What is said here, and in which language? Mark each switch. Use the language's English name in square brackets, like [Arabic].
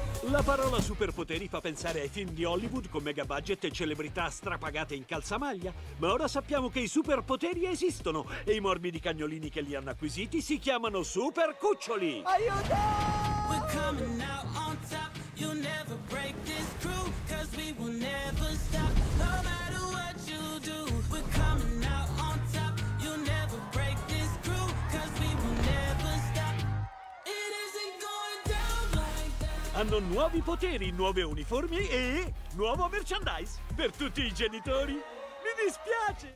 [Italian] La parola superpoteri fa pensare ai film di Hollywood con mega budget e celebrità strapagate in calzamaglia. Ma ora sappiamo che i superpoteri esistono e i morbidi cagnolini che li hanno acquisiti si chiamano super cuccioli. Aiuto! [English] We're coming out on top. You'll never break this crew, 'cause we will never stop. No matter what you do, we're coming out on top. You'll never break this crew, 'cause we will never stop. It isn't going down like that. [Italian] Hanno nuovi poteri, nuove uniformi e nuovo merchandise per tutti i genitori. Mi dispiace!